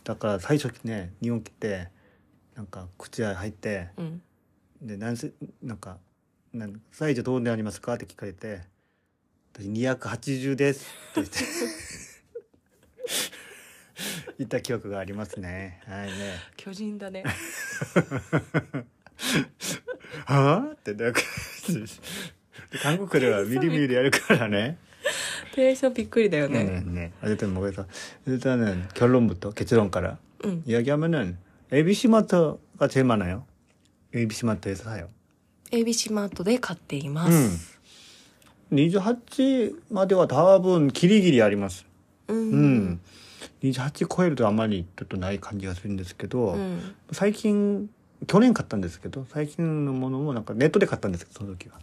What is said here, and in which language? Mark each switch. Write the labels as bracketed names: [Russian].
[Japanese] だから最初ね、日本来て、なんか靴屋入って、で、なんか、サイズどうなりますかって聞かれて、私280ですって言った記憶がありますね。はい。ね。巨人だね。はあ？って、なんか 韓国ではミリミリやるからね。テンションびっくりだよね。ね。あ、でも、そう。 [Korean] 일단은、 [Japanese] 結論から。 [Korean] 이야기하면은、ABC マートが제일많아요。 [Japanese] ABC マートで [Korean] 사요。 [Japanese] ABC マートで買っています。 28までは多分ギリギリあります。 28超えるとあまりちょっとない感じがするんですけど、最近去年買ったんですけど、最近のものもなんかネットで買ったんですけど、その時は、